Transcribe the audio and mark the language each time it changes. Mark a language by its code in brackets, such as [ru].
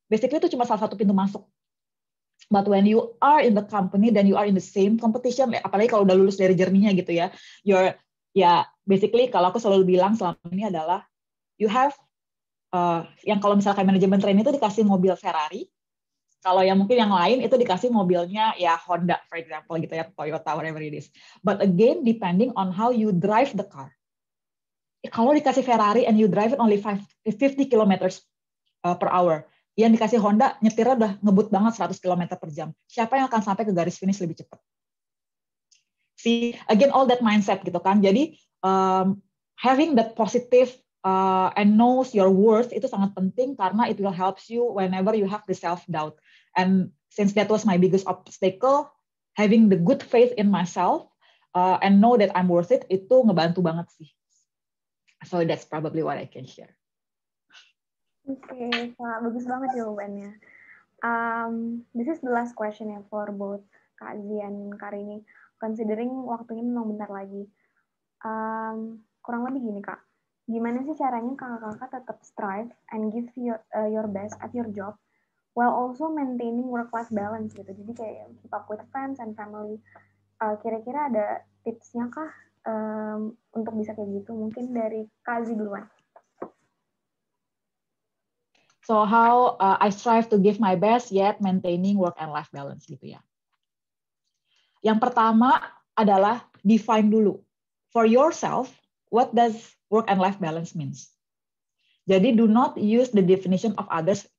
[id] Basically itu cuma salah satu pintu masuk, [en] but when you are in the company, then you are in the same competition, [id] apalagi kalau udah lulus dari jerminya gitu ya, [en] you're, [id] ya, basically kalau aku selalu bilang selama ini adalah [en] you have, [id] yang kalau misalkan manajemen training itu dikasih mobil Ferrari, kalau yang mungkin yang lain itu dikasih mobilnya ya Honda, [en] for example, [id] gitu ya, Toyota, [en] whatever it is. But again, depending on how you drive the car. [id] Kalau dikasih Ferrari [en] and you drive it only 50 km per hour, [id] yang dikasih Honda nyetirnya udah ngebut banget 100 km per jam, siapa yang akan sampai ke garis finish lebih cepat? [en] See, again, all that mindset [id] gitu kan. Jadi, [en] having that positive and knows your worth [id] itu sangat penting karena [en] it will helps you whenever you have the self doubt. And since that was my biggest obstacle, having the good faith in myself and know that I'm worth it [id] itu ngebantu banget sih. [en] So that's probably what I can share. [id] Okay, bagus banget jawabannya. [en] This is the last question ya for both Kak Zee and Kak Rini. [id] Considering waktunya memang bentar lagi, kurang lebih gini Kak, gimana sih caranya kakak-kakak tetap [en] strive and give your best at your job while also maintaining work-life balance [id] gitu? Jadi kayak [en] keep up with friends and family. [id] Kira-kira ada tipsnya kah untuk bisa kayak gitu? Mungkin dari Kak Zee duluan. [en] So how I strive to give my best yet maintaining work and life balance [id] gitu ya. Yang pertama adalah define dulu. [en] For yourself, what does work and life balance means? [id] Jadi [en] do not use the definition of others.